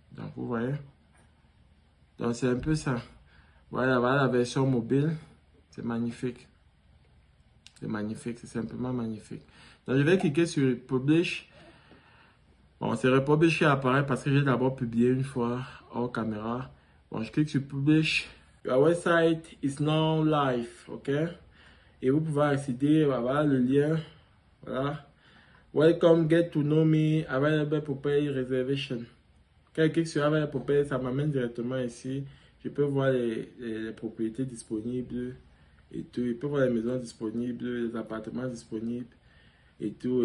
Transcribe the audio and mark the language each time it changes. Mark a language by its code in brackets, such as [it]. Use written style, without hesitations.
[fr] Donc vous voyez. Donc c'est un peu ça. Voilà la version mobile. C'est magnifique. C'est magnifique. C'est simplement magnifique. Donc, je vais cliquer sur Publish. Bon, c'est Republish qui apparaît parce que j'ai d'abord publié une fois hors caméra. Bon, je clique sur Publish. [en] Your website is now live. [fr] OK? Et vous pouvez accéder à voilà, le lien. Voilà. [en] Welcome, get to know me. Available pour payer reservation. [fr] Quand je clique sur Available pour payer, ça m'amène directement ici. Je peux voir les propriétés disponibles et tout. Je peux voir les maisons disponibles, les appartements disponibles et tout.